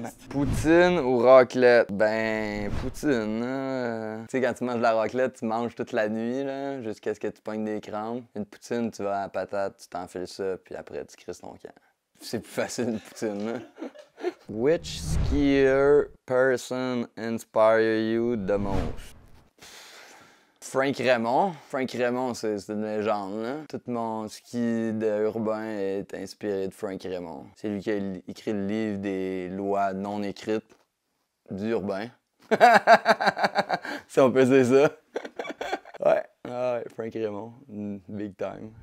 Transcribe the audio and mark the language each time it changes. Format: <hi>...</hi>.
<fr>Poutine ou raclette? Ben, poutine, hein? Tu sais, quand tu manges de la raclette, tu manges toute la nuit, là, jusqu'à ce que tu pognes des crampes. Une poutine, tu vas à la patate, tu t'enfiles ça, puis après, tu crisses ton camp. C'est plus facile, une poutine, là.</fr> <en>Which skier person inspire you the most?</en> <fr>Frank Raymond. Frank Raymond, c'est une légende, là. Tout mon ski urbain est inspiré de Frank Raymond. C'est lui qui a écrit le livre des lois non écrites du urbain. Si on peut dire ça. Ouais. Ah ouais, Frank Raymond.</fr> <en>Big time.</en>